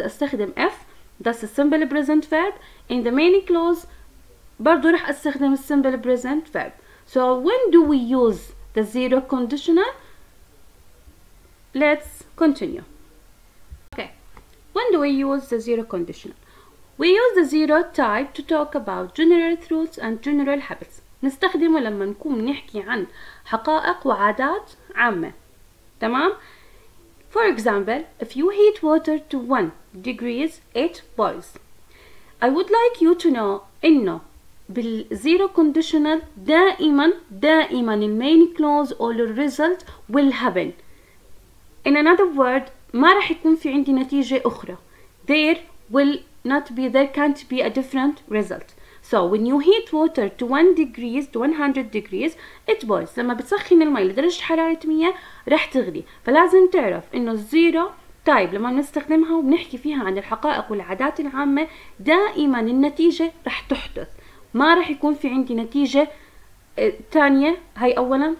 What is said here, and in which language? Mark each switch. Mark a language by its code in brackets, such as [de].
[ar] استخدم [en] if, that's a simple present verb. In the main clause [ar] برضو رح استخدم [en] simple present verb. So when do we use the zero conditional? Let's continue. Okay, when do we use the zero conditional? We use the zero type to talk about general truths and general habits. [ar] نستخدمه لما نكون نحكي عن حقائق وعادات عامة. [en] تمام؟ For example, if you heat water to 1 degrees, it boils. I would like you to know [ar] إنه بالزيرو conditional دائما المين clause أو الريزلت [en] will happen. In another word, [ar] ما رح يكون في عندي نتيجة أخرى. [en] There can't be a different result. So when you heat water to 100 degrees, it boils. [ar] لما بتسخن الماء لدرجة حرارة 100 رح تغلي. فلازم تعرف إنه [en] zero type [ar] لما نستخدمها وبنحكي فيها عن الحقائق والعادات العامة دائما النتيجة رح تحدث. ما رح يكون في عندي نتيجة تانية. هاي أولا.